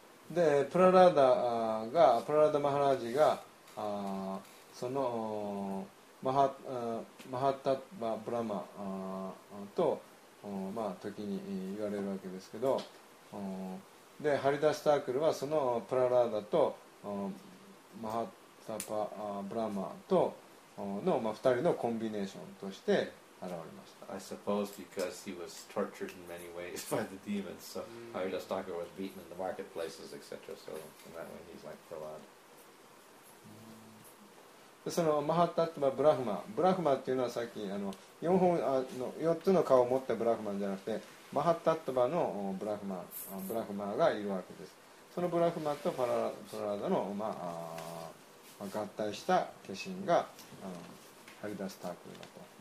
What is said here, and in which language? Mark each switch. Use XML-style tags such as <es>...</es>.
<ja>で、プララダが、プララダマハラジが、そのマハッタッバ・ブラマと、まあ、時に言われるわけですけど、で、ハリダスタークルはそのプララダとマハッタッバ・ブラマとの、まあ、2人のコンビネーションとして現れました。</ja> <en>I suppose because he was tortured in many ways by the demons, so Haridas Thakur was beaten in the marketplaces, etc. So in that way, he's like Prahlad.</en> <ja>そのマハタッタバブラフマ、ブラフマっていうのはさっき四つの顔を持ったブラフマじゃなくて、マハタッタバのブラフマ、ブラフマがいるわけです。そのブラフマとパララ、パララダの、まあ、合体した化身がハリダスタークルだと。</ja>